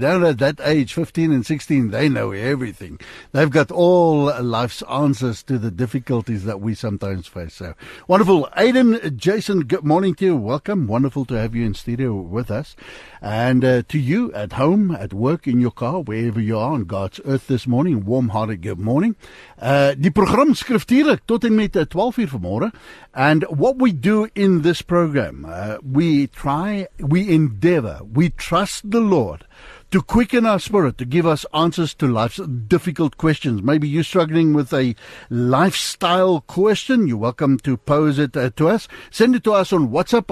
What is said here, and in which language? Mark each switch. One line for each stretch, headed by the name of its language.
English: Down at that age, 15 and 16, they know everything. They've got all life's answers to the difficulties that we sometimes face. So, wonderful. Aidan, Jason, good morning to you. Welcome. Wonderful to have you in studio with us. And to you at home, at work, in your car, wherever you are on God's earth this morning, warm-hearted good morning.
Afrikaans: Die program skriftuurlik tot en met 12 uur vanmôre.
English: And what we do in this program, we trust the Lord to quicken our spirit, to give us answers to life's difficult questions. Maybe you're struggling with a lifestyle question. You're welcome to pose it to us. Send it to us on WhatsApp.